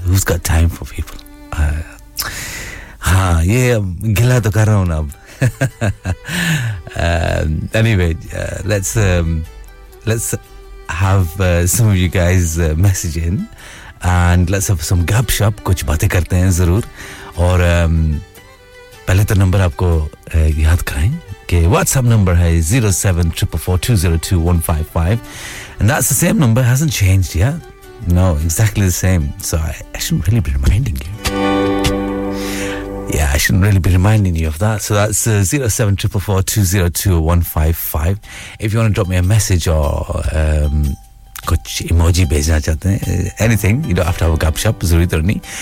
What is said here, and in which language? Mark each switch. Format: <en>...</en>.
<en>Who's got time for people?</en> <hi>हाँ, ये गिला तो कर रहा हूँ ना अब.</hi> <en>Anyway, let's have some of you guys message in and let's have some gab shop.</en> <hi>कुछ बातें करते हैं जरूर. और पहले तो नंबर आपको याद कराएं कि WhatsApp नंबर है 07-444-202-155,</hi> <en>and that's the same number, hasn't changed yet. No, exactly the same. So I shouldn't really be reminding you. Yeah, I shouldn't really be reminding you of that. So that's 07-444-202-155. If you want to drop me a message or</en> <hi>kuch emoji bhejna chahte hain,</hi> <en>anything, you don't have to have a gab shop, zaroori tarni.</en>